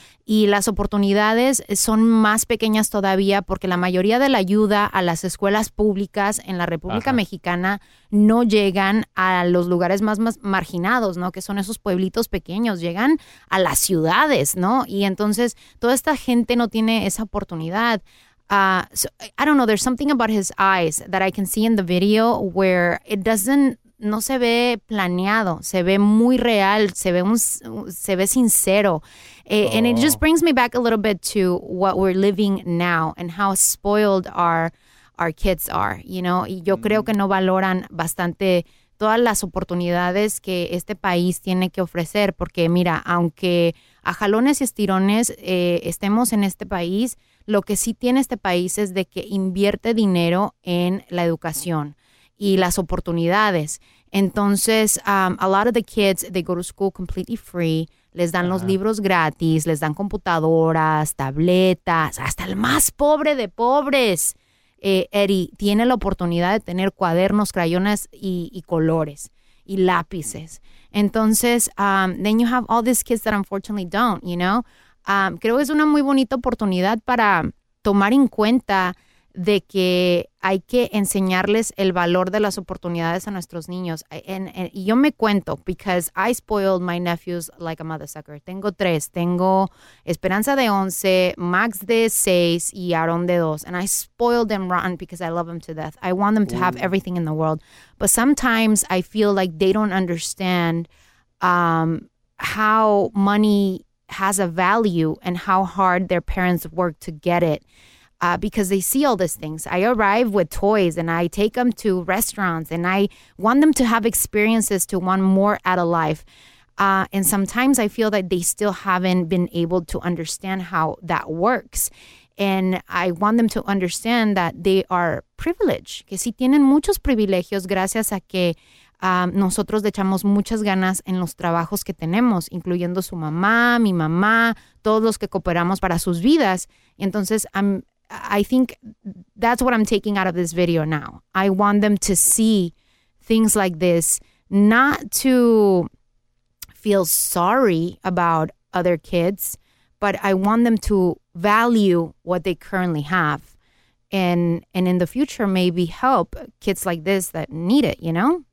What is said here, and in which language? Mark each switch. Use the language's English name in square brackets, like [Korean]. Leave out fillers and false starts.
[Spanish] Y las oportunidades son más pequeñas todavía porque la mayoría de la ayuda a las escuelas públicas en la República Mexicana no llegan a los lugares más marginados, ¿no? Que son esos pueblitos pequeños, llegan a las ciudades, ¿no? Y entonces toda esta gente no tiene esa oportunidad. [English] So I don't know. There's something about his eyes that I can see in the video where it doesn't, [Spanish] no se ve planeado, se ve muy real, se ve sincero. [English] And it just brings me back a little bit to what we're living now and how spoiled our kids are, you know. [Spanish] Y yo creo que no valoran bastante todas las oportunidades que este país tiene que ofrecer, porque mira, aunque a jalones y estirones estemos en este país, lo que sí tiene este país es de que invierte dinero en la educación y las oportunidades. Entonces, [English] a lot of the kids, they go to school completely free, [Spanish] les dan los libros gratis, les dan computadoras, tabletas, hasta el más pobre de pobres. Eddie tiene la oportunidad de tener cuadernos, crayones y colores y lápices. [English] Entonces, then you have all these kids that unfortunately don't, you know. [Spanish] Creo que es una muy bonita oportunidad para tomar en cuenta de que hay que enseñarles el valor de las oportunidades a nuestros niños. Y yo me cuento, [English] because I spoiled my nephews like a mother sucker. [Spanish] Tengo tres. Tengo Esperanza de 11, Max de 6 y Aaron de 2. [English] And I spoiled them rotten because I love them to death. I want them to have everything in the world. But sometimes I feel like they don't understand how money has a value and how hard their parents work to get it. Because they see all these things. I arrive with toys and I take them to restaurants and I want them to have experiences to want more out of life. And sometimes I feel that they still haven't been able to understand how that works. And I want them to understand that they are privileged. [Spanish] Que sí tienen muchos privilegios gracias a que nosotros le echamos muchas ganas en los trabajos que tenemos, incluyendo su mamá, mi mamá, todos los que cooperamos para sus vidas. [English] Entonces, I think that's what I'm taking out of this video now. I want them to see things like this, not to feel sorry about other kids, but I want them to value what they currently have and in the future maybe help kids like this that need it, you know?